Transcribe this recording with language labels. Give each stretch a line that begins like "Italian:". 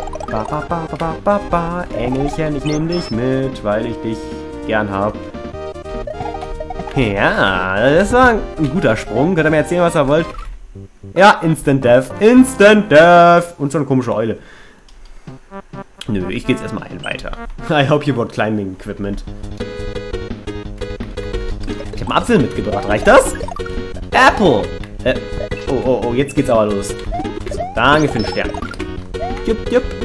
German: Ba, ba, ba, ba, ba, ba, ba. Engelchen, ich nehme dich mit, weil ich dich gern hab. Ja, das war ein guter Sprung. Könnt ihr mir erzählen, was ihr wollt? Ja, Instant Death. Instant Death! Und so eine komische Eule. Nö, ich geh jetzt erstmal ein weiter.
English: I hope you brought climbing equipment.
German: Ich hab einen Apfel mitgebracht, reicht das? Apple! Oh, oh, oh, jetzt geht's aber los. So, danke für den Stern. Jupp, jupp.